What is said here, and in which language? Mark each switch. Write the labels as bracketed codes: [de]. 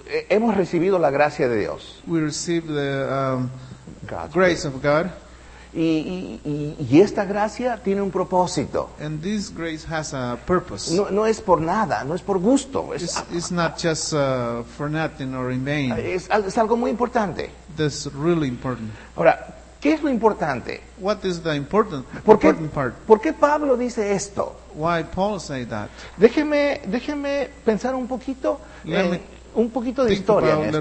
[es] Hemos recibido la gracia de Dios. [en] We received the God's grace of God. [es] Y esta gracia tiene un propósito. [en] And this grace has a purpose. [es] No es por nada, no es por gusto. [en] It's not just for nothing or in vain. [es] Es algo muy importante. [en] That's really important. [es] Ahora, ¿qué es lo importante? [en] What is the important part? [es] ¿Por qué Pablo dice esto? [en] Why Paul say that? [es] Déjeme pensar un poquito, un poquito de historia en esto.